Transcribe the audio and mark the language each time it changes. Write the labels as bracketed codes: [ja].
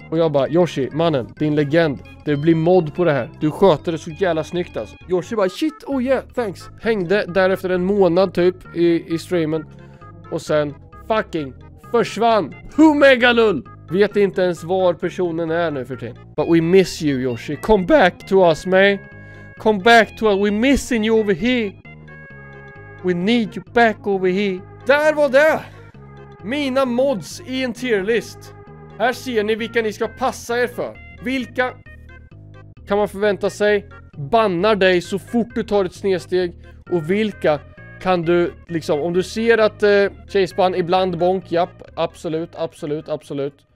[sv] Och jag bara, Yoshi, mannen, din legend. Det blir mod på det här. Du sköter det så jävla snyggt alltså. Yoshi bara, [en] shit, oh yeah, thanks. [sv] Hängde därefter en månad typ i streamen. Och sen, fucking, försvann. [en] Who megalull? [sv] Vet inte ens var personen är nu för tiden. [en] But we miss you, Yoshi. Come back to us, man. Come back to us. We missing you over here. We need you back over here. [sv] Där var det. Mina mods i en tierlist. Här ser ni vilka ni ska passa er för. Vilka kan man förvänta sig bannar dig så fort du tar ett snedsteg. Och vilka kan du liksom, om du ser att chasebann ibland bonk, japp, absolut, absolut, absolut.